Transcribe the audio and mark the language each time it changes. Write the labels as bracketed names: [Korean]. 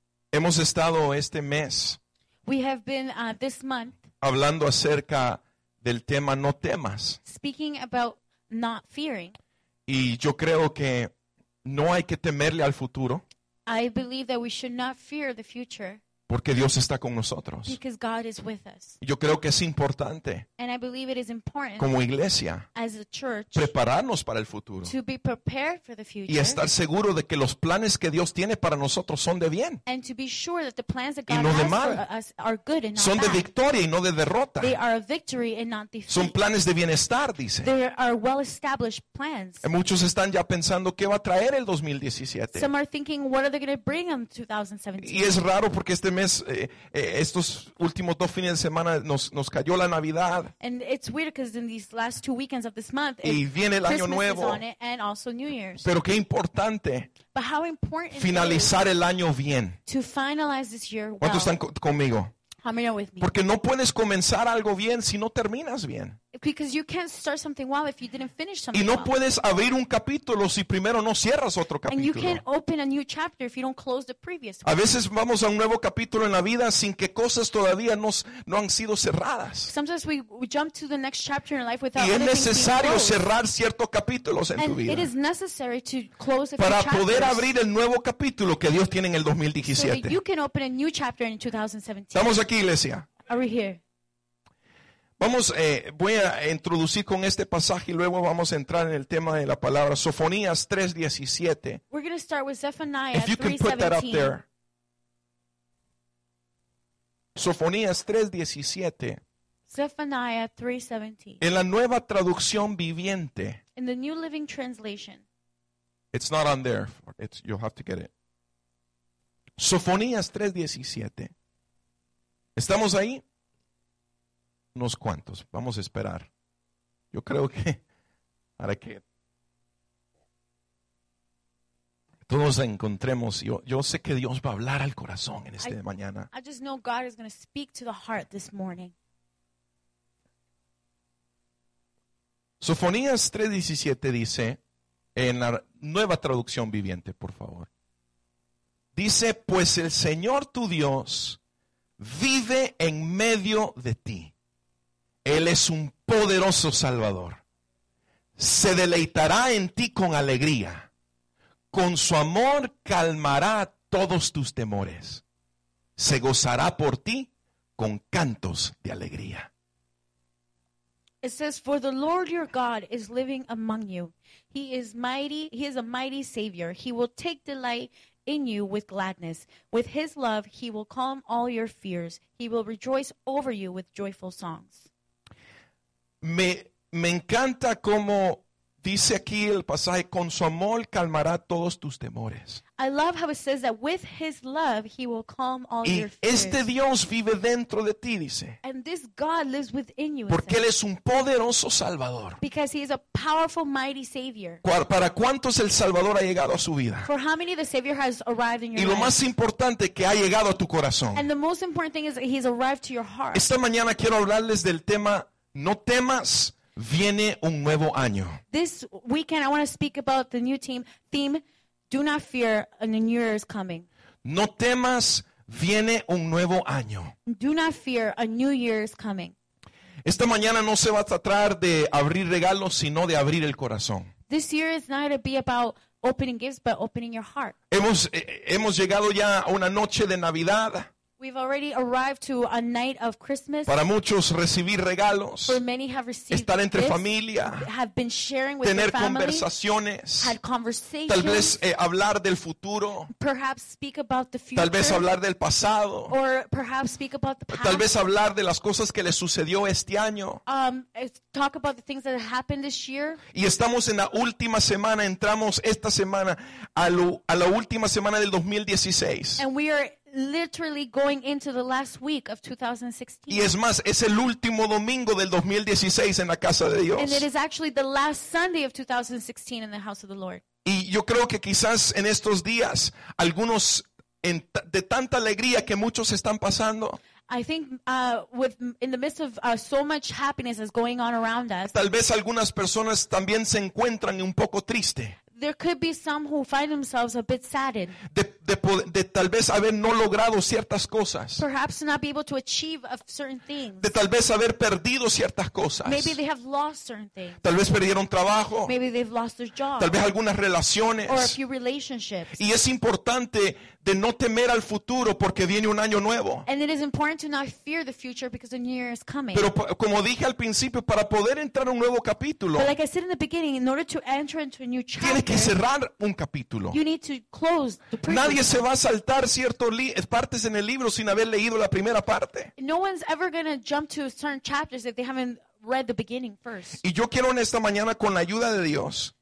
[Spanish] Hemos estado este mes [English] We have been, this month, [Spanish] hablando acerca del tema no temas. [English] Speaking about not fearing. [Spanish] Y yo creo que no hay que temerle al futuro. [English] I believe that we should not fear the future. [Spanish] Porque Dios está con nosotros. [English] Because God is with us. [Spanish] Yo creo que es importante. [English] And I believe it is important, [Spanish] como iglesia. [English] As a church, [Spanish] prepararnos para el futuro. [English] To be prepared for the future, [Spanish] y estar seguro de que los planes que Dios tiene para nosotros son de bien. [English] And to be sure that the plans that God [Spanish] y no [English] has [Spanish] de mal. [English] For us are good and not [Spanish] son [English] bad. [Spanish] De victoria y no de derrota. [English] They are a victory and not defeat. [Spanish] Son planes de bienestar, dice. [English] There are well-established plans. [Spanish] Y muchos están ya pensando qué va a traer el 2017. [English] Some are thinking, what are they going to bring in 2017? [Spanish] Y es raro porque este mes, estos últimos dos fines de semana nos cayó la Navidad. [English] And it's weird because in these last two weekends of this month, [Spanish] y viene el [English] Christmas [Spanish] año nuevo. [English] Is on it and also New Year's. [Spanish] Pero qué importante. [English] But how important [Spanish] finalizar el año bien. [English] To finalize this year well. [Spanish] ¿Cuántos están conmigo? [English] How many are with me? [Spanish] Porque no puedes comenzar algo bien si no terminas bien. [English] Because you can't start something well if you didn't finish something. [Spanish] Y no [English] well. [Spanish] Puedes abrir un capítulo si primero no cierras otro capítulo. [English] And you can't open a new chapter if you don't close the previous one. [Spanish] A veces vamos a un nuevo capítulo en la vida sin que cosas todavía no han sido cerradas. [English] Sometimes we jump to the next chapter in life without [Spanish] Y es necesario cerrar ciertos capítulos en [English] and [Spanish] tu vida. [English] It is necessary to close a few [Spanish] Para [English] chapters. [Spanish] Poder abrir el nuevo capítulo que Dios tiene en el 2017. [English] So you can open a new chapter in 2017. [Spanish] Estamos aquí, iglesia. [English] Are we here? [Spanish] Vamos, voy a introducir con este pasaje y luego vamos a entrar en el tema de la palabra. Sofonías 3:17. [English] We're going to start with Zephaniah 3:17. If you 3:17. Can put that up there. [Spanish] Sofonías 3:17. [English] Zephaniah 3:17. [Spanish] En la nueva traducción viviente. [English] In the New Living Translation. It's not on there. You'll have to get it. Sofonías 3:17. [Spanish] ¿Estamos ahí? Unos cuantos. Vamos a esperar. Yo creo que para que todos encontremos. Yo sé que Dios va a hablar al corazón en esta mañana. [English] I just know God is going to speak to the heart this morning. [Spanish] Sofonías 3:17 dice, en la nueva traducción viviente, por favor. Dice, pues el Señor tu Dios vive en medio de ti. Él es un poderoso Salvador. Se deleitará en ti con alegría. Con su amor calmará todos tus temores. Se gozará por ti con cantos de alegría. [English] It says, for the Lord your God is living among you. He is mighty. He is a mighty Savior. He will take delight in you with gladness. With his love, he will calm all your fears. He will rejoice over you with joyful songs. [Spanish] Me encanta cómo dice aquí el pasaje, con su amor calmará todos tus temores. [English] I love how it says that with his love he will calm all [Spanish] y [English] your fears. [Spanish] Este Dios vive dentro de ti, dice. [English] And this God lives within you. [Spanish] Porque él es un poderoso Salvador. [English] Because he is a powerful, mighty Savior. [Spanish] ¿Para cuántos el Salvador ha llegado a su vida? [English] For how many the Savior has arrived in your [Spanish] Y lo [English] life? [Spanish] Más importante que ha llegado a tu corazón. [English] And the most important thing is that he's arrived to your heart. [Spanish] Esta mañana quiero hablarles del tema No temas, viene un nuevo año. [English] This weekend I want to speak about the new theme, do not fear, a new year is coming. [Spanish] No temas, viene un nuevo año. [English] Do not fear, a new year is coming. [Spanish] Esta mañana no se va a tratar de abrir regalos, sino de abrir el corazón. [English] This year is not going to be about opening gifts, but opening your heart. [Spanish] Hemos llegado ya a una noche de Navidad. [English] We've already arrived to a night of Christmas. [Spanish] Para muchos, recibir regalos. [English] For many, have received [Spanish] estar entre [English] gifts, [Spanish] familia. [English] Have been sharing with [Spanish] tener [English] their family, [Spanish] conversaciones. [English] Had conversations. [Spanish] Tal vez hablar del futuro. [English] Perhaps speak about the future. [Spanish] Tal vez hablar del pasado. [English] Or perhaps speak about the past. [Spanish] Tal vez hablar de las cosas que le sucedió este año. [English] Talk about the things that happened this year. [Spanish] Y estamos en la última semana. Entramos esta semana a la última semana del 2016. [English] And we are literally going into the last week of 2016. [Spanish] Y es más, es el último domingo del 2016 en la casa de Dios. [English] And it is actually the last Sunday of 2016 in the house of the Lord. [Spanish] Y yo creo que quizás en estos días, algunos de tanta alegría que muchos están pasando, [English] I think with in the midst of so much happiness that's going on around us, [Spanish] tal vez algunas personas también se encuentran un poco triste. [English] There could be some who find themselves a bit saddened. [Spanish] De tal vez haber no logrado ciertas cosas. [English] Perhaps not be able to achieve certain things. [Spanish] De tal vez haber perdido ciertas cosas. [English] Maybe they have lost certain things. [Spanish] Tal vez perdieron trabajo. [English] Maybe they've lost their job. [Spanish] Tal vez algunas relaciones. [English] Or a few relationships. [Spanish] Y es importante de no temer al futuro porque viene un año nuevo. [English] And it is important to not fear the future because a new year is coming. [Spanish] Pero como dije al principio, para poder entrar a un nuevo capítulo, [English] but like I said in the beginning, in order to enter into a new chapter, [Spanish] tienes que cerrar un capítulo. [English] You need to close the previous. [Spanish] Nadie se va a saltar ciertas partes en el libro sin haber leído la primera parte. [English] No one's ever going to jump to certain chapters if they haven't read the beginning first. [Spanish] Y yo quiero en esta mañana, con la ayuda de Dios,